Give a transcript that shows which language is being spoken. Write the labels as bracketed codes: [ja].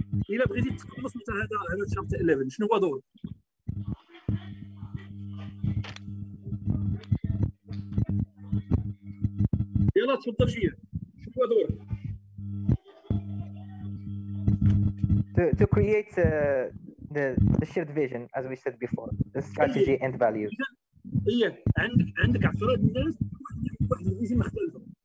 [ar] إلا بغيتي تخلص أنت هذا الشابتر 11 شنو هو دورك؟ يلا تفضل شيا شنو هو دورك؟ [en] To create the shared vision as we said before, the strategy and values. [ar] عندك أفراد الناس واحد الفيجن مختلفة.